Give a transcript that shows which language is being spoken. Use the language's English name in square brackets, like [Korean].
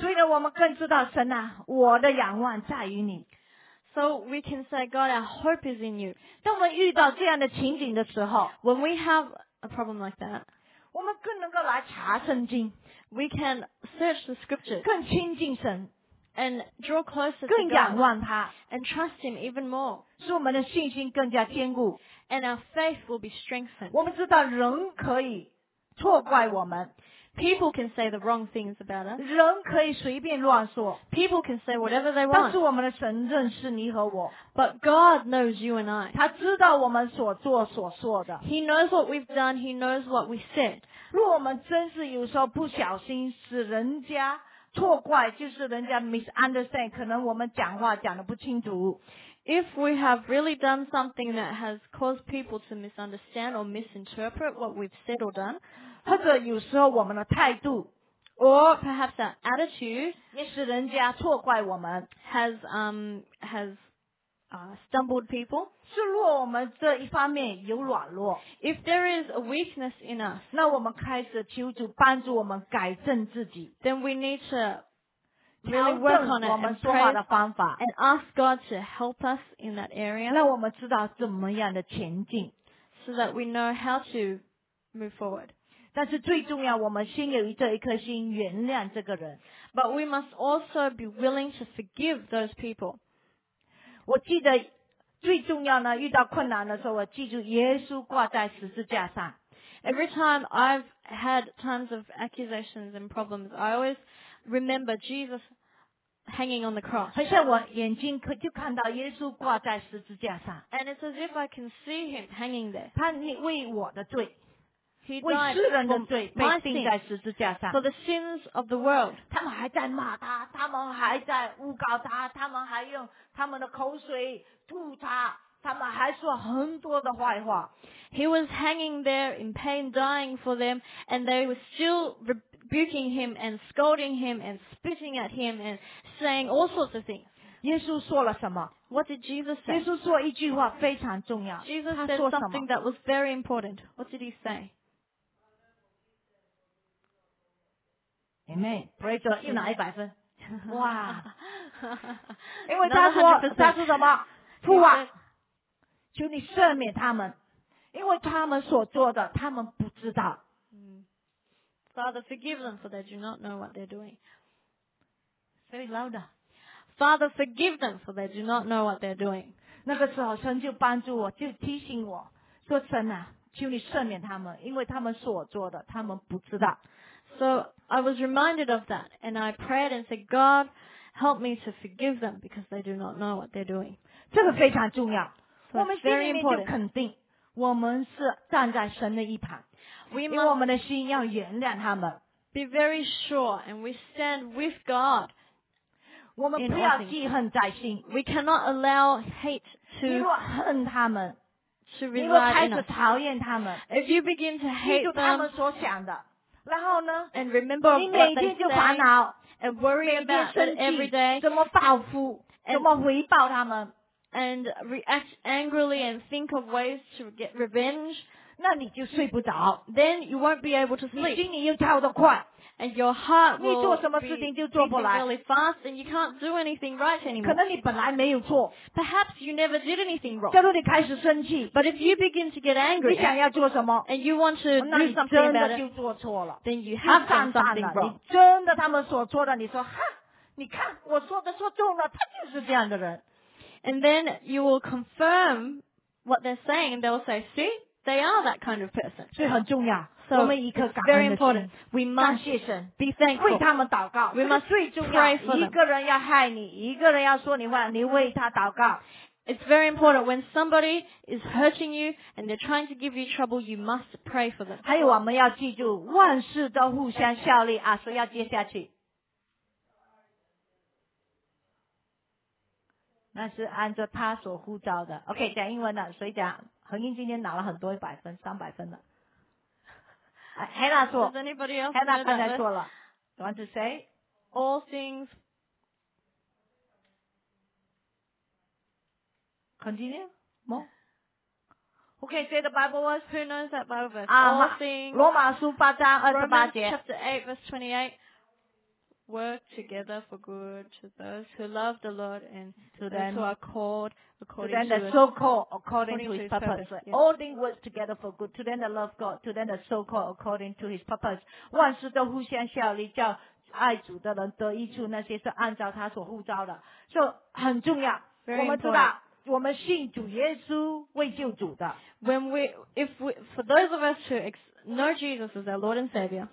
[Chinese] 所以呢，我们更知道神啊，我的仰望在于你。 [English] So we can say, God, our hope is in you. [Chinese] 当我们遇到这样的情景的时候 [English] ，when we have a problem like that, [Chinese] 我们更能够来查圣经。 [English] We can search the scriptures. [Chinese] 更亲近神。 [English] And draw closer to [Chinese] God. 更仰望他。 [English] And trust him even more. [Chinese] 使我们的信心更加坚固。 [English] And our faith will be strengthened. [Chinese] 我们知道人可以错怪我们。 [English] People can say the wrong things about us. [Chinese] 人可以随便乱说。 [English] People can say whatever they want. [Chinese] 但是我们的神认识你和我。 [English] But God knows you and I. [Chinese] 他知道我们所做所说的。 [English] He knows what we've done. He knows what we said. [Chinese] 若我们真是有时候不小心使人家错怪，就是人家 [English] misunderstand， [Chinese] 可能我们讲话讲得不清楚。 [English] If we have really done something that has caused people to misunderstand or misinterpret what we've said or done， [Chinese] 或者有时候我们的态度 [English] ，or perhaps our attitude， [Chinese] 也使人家错怪我们 [English] has stumbled people， [Chinese] 是若我们这一方面有软弱 [English] ，if there is a weakness in us， [Chinese] 那我们开始求主帮助我们改正自己 [English] ，then we need to。 Really work on it and pray and ask God to help us in that area. [Chinese] 让我们知道怎么样的前进 [English] so that we know how to move forward. [Chinese] 但是最重要，我们心有这一颗心，原谅这个人。 [English] But we must also be willing to forgive those people. [Chinese] 我记得最重要呢，遇到困难的时候，我记住耶稣挂在十字架上。 [English] Every time I've had tons of accusations and problems, I always remember Jesus hanging on the cross. [Chinese] 好像我眼睛可就看到耶稣挂在十字架上。 [English] And it's as if I can see him hanging there. [Chinese] 他为我的罪， [English] he [Chinese] 为世人的罪被钉在十字架上。 [English] For the sins of the world. [Chinese] 他们还在骂他，他们还在诬告他，他们还用他们的口水吐他。他们还说很多的坏话。 [English] He was hanging there in pain, dying for them, and they were still rebuking him and scolding him and spitting at him and saying all sorts of things. [Chinese] 耶稣说了什么？ [English] What did Jesus say? [Chinese] 耶稣说一句话非常重要。 [English] Jesus said something that was very important. What did he say? Amen. Praise God. [Chinese] 又拿一百分。哇！因为他说他说什么？父啊！求你赦免他们，因为他们所做的，他们不知道。 [English] Father, forgive them, for they do not know what they're doing. Say louder. Father, forgive them, for they do not know what they're doing. [Chinese] 那个时候，神就帮助我，就提醒我说：“神啊，求你赦免他们，因为他们所做的，他们不知道。” [English] So I was reminded of that, and I prayed and said, "God, help me to forgive them because they do not know what they're doing." [Chinese] 这个非常重要。 [English] So、 [Chinese] 我们心里面就肯定，我们是站在神的一旁，因为我们的心要原谅他们。 [English] Be very sure, and we stand with God. [Chinese] 我们不要记恨在心。 [English] We cannot allow hate to. [Chinese] 你若恨他们 [English] ，to reside in us. [Chinese] 你若开始讨厌他们 [English] ，if you begin to hate them. [Chinese] 记住他们所想的，然后呢 [English] ？And remember what they say. [Chinese] 你每天就烦恼 [English] ，and worry about that every day. [Chinese] 怎么报复？怎么回报他们？ [English] And react angrily and think of ways to get revenge. [Chinese] 那你就睡不着。 [English] Then you won't be able to sleep. [Chinese] 你心里又跳得快。 [English] And your heart will. [Chinese] 你做什么事情就做不来。 [English] Really fast, and you can't do anything right anymore. [Chinese] 可能你本来没有错。 [English] Perhaps you never did anything wrong. [Chinese] 假如你开始生气。 [English] But if you begin to get angry, [Chinese] 你想要做什么？ [English] And you want to do something about it. [Chinese] 那你真的就做错了。 [English] Then you have done something wrong. [Chinese] 你真的他们所做的，你说哈，你看我说的说中了，他就是这样的人。 [English] And then you will confirm what they're saying. They'll say, "See, they are that kind of person." [Chinese] 所以很重要。 [English] So it's very important. We must be thankful. [Chinese] 为他们祷告。 [English] We must pray for them. [Chinese] 一个人要害你，一个人要说你坏，你为他祷告。 [English] It's very important when somebody is hurting you and they're trying to give you trouble. You must pray for them. [Chinese] 还有我们要记住，万事都互相效力啊！所以要接下去。那是按照他所呼召的。OK， 讲英文的，所以讲恒英今天拿了很多一百分、三百分的。 Hannah 说 [English] ，Does anybody else [Chinese] Hannah 刚才说了 ， [English] Want to say all things continue more？ Okay, say the Bible verse. Who knows that Bible verse? All things. Romans chapter 8, verse 28. Work together for good to those who love the Lord and to them who are called according to His according to His purpose. Yes. All things work together for good to them that love God, to them that so called according to His purpose. [Chinese] 万事都互相效力，叫爱主的人得益处，那些是按照他所呼召的。 So, 很重要。我们知道。我们信主耶稣为救主的。 [English] When we, if we, for those of us who know Jesus as our Lord and Savior,